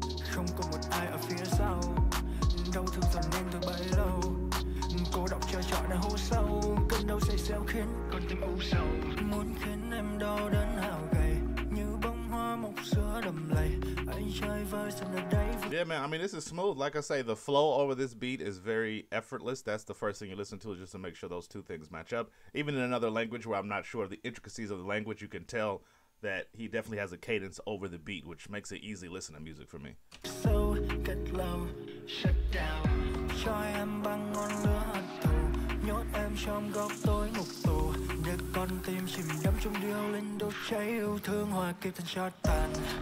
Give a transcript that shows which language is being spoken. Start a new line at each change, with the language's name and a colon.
Vietnamese: Không còn một ai ở phía sau. Đau thương dần nên tôi bấy lâu. Cô độc chờ chờ đã hố sâu. Cơn đau xây xéo khiến con tim u sầu. Muốn khiến em đau đớn hào gầy như bông hoa mục giữa đầm lầy. Anh chơi vơi xem là đây.
English: Yeah, man, I mean, this is smooth. Like I say, the flow over this beat is very effortless. That's the first thing you listen to, is just to make sure those two things match up. Even in another language where I'm not sure of the intricacies of the language, you can tell that he definitely has a cadence over the beat, which makes it easy listen to music for me. So get low, shut down.
Vietnamese: Cho em bằng ngọn lửa hận thù. Nhốt em trong góc tối ngục tù. Để con tim chìm đắm trong điêu linh đốt cháy yêu thương hòa kịp thân cho tàn.